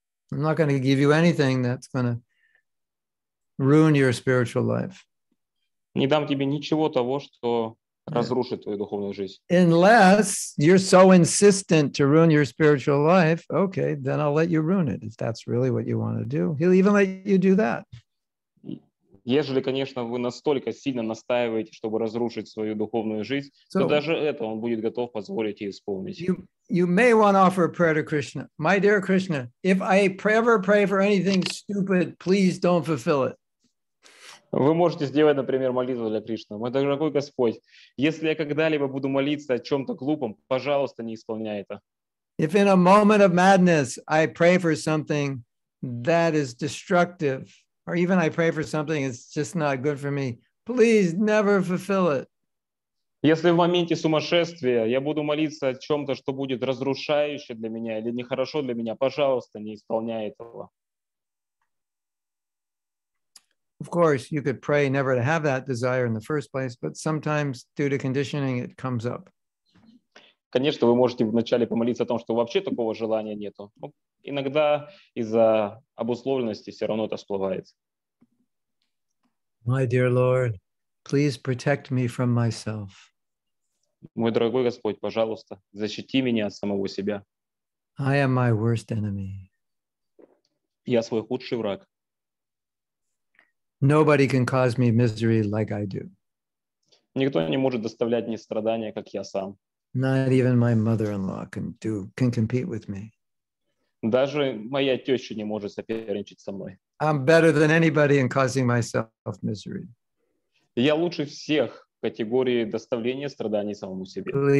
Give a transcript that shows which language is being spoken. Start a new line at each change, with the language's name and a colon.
English: I'm not going to give you anything that's going to ruin your spiritual life.
Russian: Не дам тебе ничего того, что разрушит твою духовную жизнь.
English: Unless you're so insistent to ruin your spiritual life, okay, then I'll let you ruin it, if that's really what you want to do. He'll even let you do that.
Russian: Ежели, конечно, вы настолько сильно настаиваете, чтобы разрушить свою духовную жизнь, so, то даже это он будет готов позволить и исполнить.
English: You may want to offer a prayer to Krishna. My dear Krishna, if I ever pray for anything stupid, please don't fulfill it.
Russian: Вы можете сделать, например, молитву для Кришны. Мой дорогой Господь, если я когда-либо буду молиться о чем-то глупом, пожалуйста, не исполняй это.
English: If in a moment of madness I pray for something that is destructive, or even I pray for something that's just not good for me, please never fulfill it.
Russian: Если в моменте сумасшествия я буду молиться о чем-то, что будет разрушающе для меня или нехорошо для меня, пожалуйста, не исполняй этого.
English: Of course, you could pray never to have that desire in the first place, but sometimes, due to conditioning, it comes up.
Russian: Конечно, вы можете вначале помолиться о том, что вообще такого желания нету. Но иногда из-за обусловленности все равно это всплывает.
English: My dear Lord, please protect me from myself.
Russian: Мой дорогой Господь, пожалуйста, защити меня от самого себя.
English: I am my worst enemy.
Russian: Я свой худший враг.
English: Nobody can cause me misery like I do.
Russian: Никто не может доставлять мне страдания, как я сам.
English: Not even my mother-in-law can compete with me.
Russian: Даже моя теща не может соперничать со мной.
English: I'm better than anybody in causing myself misery.
Russian: Я лучше всех в категории доставления страданий самому себе.